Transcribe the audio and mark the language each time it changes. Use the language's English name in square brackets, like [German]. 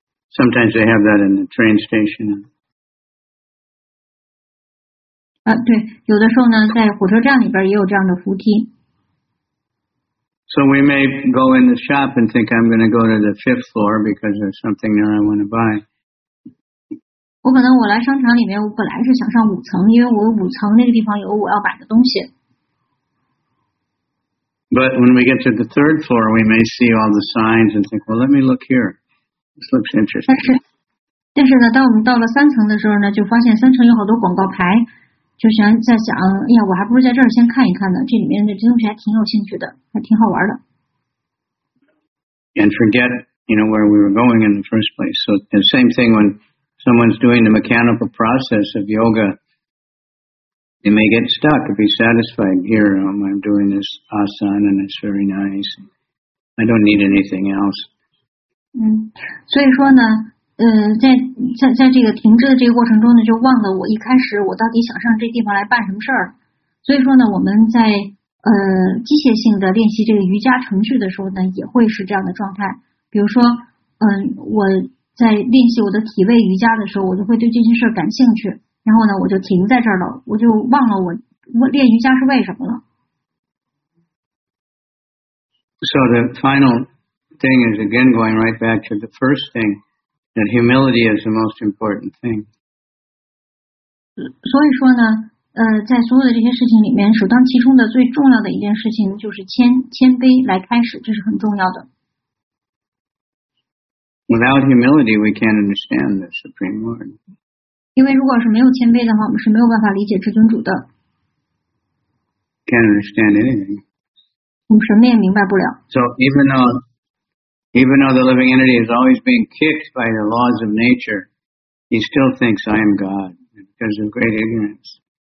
[English] Sometimes they have that in the train station. [Chinese] 对，有的时候呢，在火车站里边也有这样的扶梯。 [English] So we may go in the shop and think I'm going to go to the fifth floor because there's something there I want to buy. [Chinese] 我可能我来商场里面，我本来是想上五层，因为我五层那个地方有我要买的东西。 [English] But when we get to the third floor, we may see all the signs and think, well, let me look here. This looks interesting. [Chinese] 但是呢，当我们到了三层的时候呢，就发现三层有好多广告牌，就想在想，哎呀，我还不如在这儿先看一看呢，这里面的东西还挺有兴趣的，还挺好玩的。 [English] And forget, you know, where we were going in the first place. So the same thing when someone's doing the mechanical process of yoga, they may get stuck and be satisfied. Here, I'm doing this asana and it's very nice. I don't need anything else. [Chinese] 所以说呢，在这个停滞的这个过程中呢，就忘了我一开始我到底想上这地方来办什么事儿。所以说呢，我们在机械性的练习这个瑜伽程序的时候呢，也会是这样的状态。比如说，我在练习我的体位瑜伽的时候，我就会对这件事感兴趣，然后呢，我就停在这儿了，我就忘了我练瑜伽是为什么了。 [English] So the final thing is again going right back to the first thing. That humility is the most important thing. [Chinese] 所以说呢，在所有的这些事情里面，首当其冲的最重要的一件事情就是谦卑来开始，这是很重要的。 [English] Without humility, we can't understand the Supreme Lord. [Chinese] 因为如果是没有谦卑的话，我们是没有办法理解至尊主的。 [English] Can't understand anything. [Chinese] 我们什么也明白不了。 [English] So even though the living entity is always being kicked by the laws of nature, he still thinks I am God because of great ignorance.